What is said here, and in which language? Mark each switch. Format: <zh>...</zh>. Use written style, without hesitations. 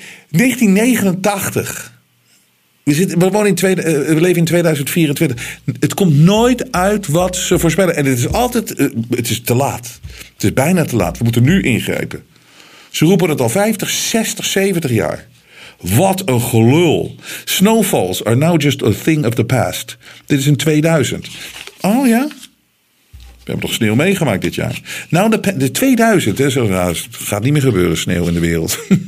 <nl>1989. We leven in 2024. Het komt nooit uit wat ze voorspellen. En het is altijd. Het is te laat. Het is bijna te laat. We moeten nu ingrijpen. Ze roepen het al 50, 60, 70 jaar. Wat een gelul.</nl> <en>Snowfalls are now just a thing of the past.</en> <nl>Dit is in 2000. Oh ja? We hebben toch sneeuw meegemaakt dit jaar? Nou, de 2000. Het gaat niet meer gebeuren, sneeuw in de wereld.</nl>